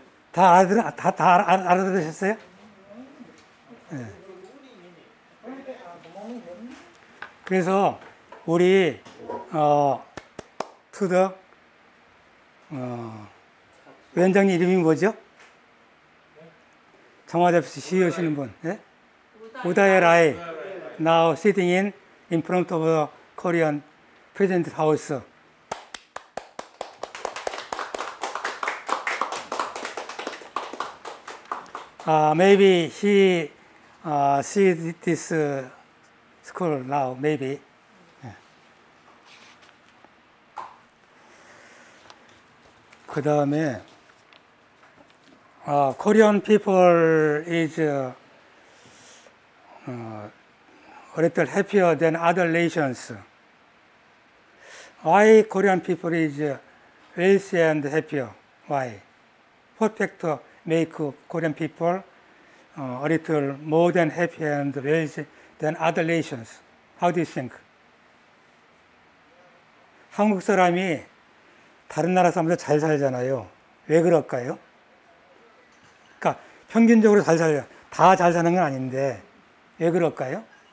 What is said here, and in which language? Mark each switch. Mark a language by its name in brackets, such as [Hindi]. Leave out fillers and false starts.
[Korean] 다 알아들으셨어요? 네. 그래서 우리 [English] to the [Korean] 원장님 이름이 뭐죠? 청와대에서 시위하시는 분, 예? [English] 우다야라이, now sitting in front of the Korean President's House. 아, maybe he see this school now, maybe. [Korean] 그 다음에, [English] Korean people is, 어, a little happier than other nations. Why Korean people is wealthy and happier? Why? What factor make Korean people a little more than happy and wealthy than other nations? How do you think? [Korean] 한국 사람이 다른 나라 사람들 잘 살잖아요. 왜 그럴까요? 그러니까 평균적으로 잘 살아요. 다 잘 사는 건 아닌데 왜 그럴까요?